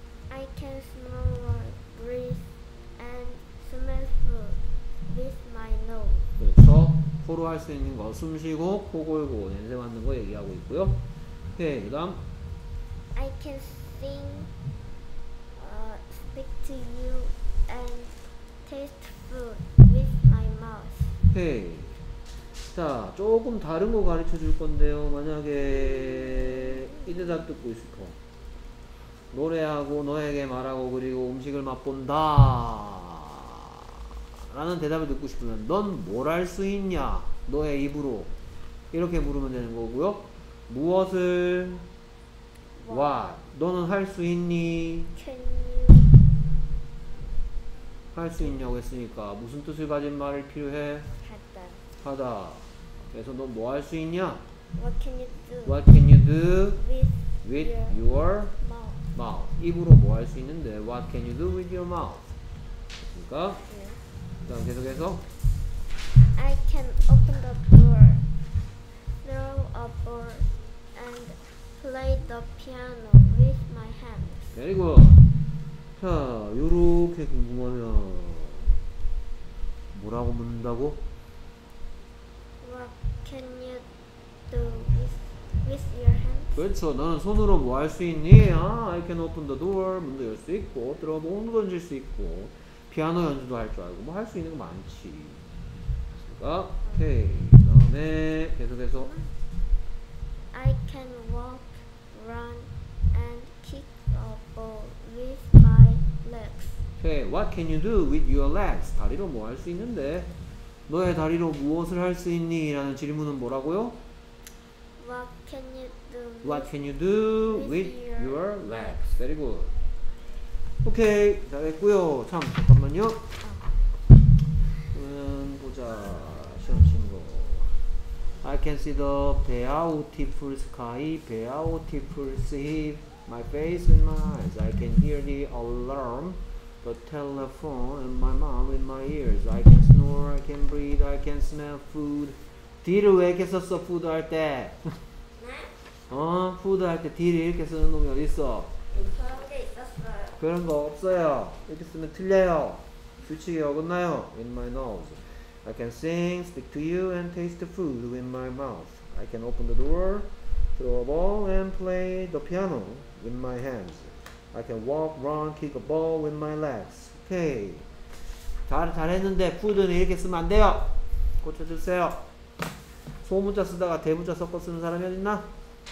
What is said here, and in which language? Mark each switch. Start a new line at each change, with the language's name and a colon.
English: I can smell and breathe and smell food with my nose.
Korean: 그렇죠. 코로 할 수 있는 거 숨 쉬고 코 골고 냄새 맡는 거 얘기하고 있고요. 오케이. 그 다음
English: I can sing, speak to you, and taste food with my mouth.
Korean: 오케이. 자, 조금 다른 거 가르쳐 줄 건데요. 만약에 이 대답 듣고 있을 거. 노래하고 너에게 말하고 그리고 음식을 맛본다. 라는 대답을 듣고 싶으면 넌 뭘 할 수 있냐? 너의 입으로. 이렇게 물으면 되는 거고요. 무엇을?
English: What?
Korean: 너는 할 수 있니?
English: Can you?
Korean: 할 수 있냐고 했으니까 무슨 뜻을 가진 말을 필요해? 하다. 하다. 그래서 너 뭐 할 수 있냐?
English: What can you do? What can you do? With your mouth. Mouth.
Korean: 입으로 뭐 할 수 있는데
English: What can you do with your mouth?
Korean: 그러니까 그 다음 계속해서 I can open the door, throw a ball and play the piano with my hands. 그리고 자, 요렇게 궁금하면 뭐라고 묻는다고?
English: What can you do with your hands?
Korean: 그렇죠. 너는 손으로 뭐 할 수 있니?
English: 아, I can open the door.
Korean: 문도 열 수 있고, 들어가 뭐 옷도 던질 수 있고, 피아노 연주도 할 줄 알고 뭐 할 수 있는 거 많지. 그러니까 오케이. 그다음에 계속해서
English: I can walk run and kick a ball with my legs. Okay, what can you do with your legs?
Korean: 다리로 뭐 할 수 있는데? 너의 다리로 무엇을 할 수 있니? 라는 질문은 뭐라고요?
English: What can you do with your legs? Very good. Okay,
Korean: 잘했고요. 참, 잠깐만요. 보자. 시험 친 거.
English: I can see the beautiful sky, beautiful sea, my face in my eyes. I can hear the alarm, the telephone, and my mom in my ears. I can snore, I can breathe, I can smell food.
Korean: 뒤를 왜 이렇게 썼어,
English: food 할 때?
Korean: 네? 어? food 할 때 뒤를 이렇게 쓰는 동이 어딨어? 그런 게 있었어요. 그런 거 없어요. 이렇게 쓰면 틀려요. 규칙이 어긋나요?
English: in my nose. I can sing, speak to you, and taste the food with my mouth. I can open the door, throw a ball, and play the piano with my hands. I can walk, run, kick a ball with my legs. Okay.
Korean: 잘했는데 food는 이렇게 쓰면 안 돼요. 고쳐주세요. 소문자 쓰다가 대문자 섞어 쓰는 사람이 어딨나?